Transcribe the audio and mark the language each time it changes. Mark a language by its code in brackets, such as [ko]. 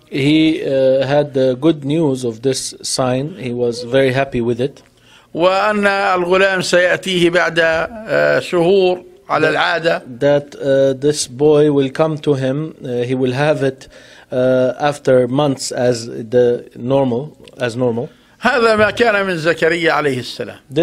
[en] He had the good news of this sign. He was very happy with it. [ar] وأن الغلام سيأتيه بعد شهور. على العادة [en] that this boy will come to him he will have it after months as the normal as normal [ar] هذا ما كان من زكريا عليه السلام